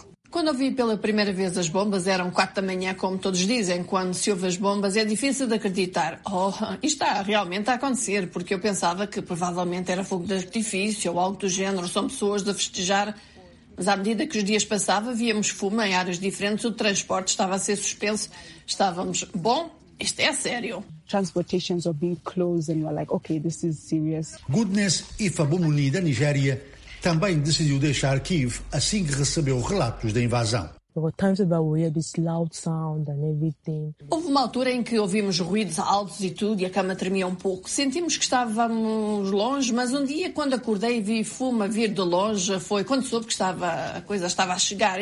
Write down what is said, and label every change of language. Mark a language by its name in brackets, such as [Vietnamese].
[Portuguese] Quando ouvi pela primeira vez as bombas, eram 4 da manhã, como todos dizem. Quando se ouve as bombas, é difícil de acreditar. Oh, isto está realmente a acontecer, porque eu pensava que provavelmente era fogo de artifício ou algo do género. São pessoas de festejar. Mas à medida que os dias passavam, víamos fumo em áreas diferentes. O transporte estava a ser suspenso. Estávamos, bom, isto é sério. [English] Transportations are being closed and we're like, okay, this is serious. [Portuguese] Goodness Ifabumuni, da Nigéria, também decidiu deixar Kiev assim que recebeu relatos da invasão. Houve uma altura em que ouvimos ruídos altos e tudo, e a cama tremia um pouco. Sentimos que estávamos longe, mas um dia, quando acordei e vi fumo a vir de longe, foi quando soube que a coisa estava a chegar.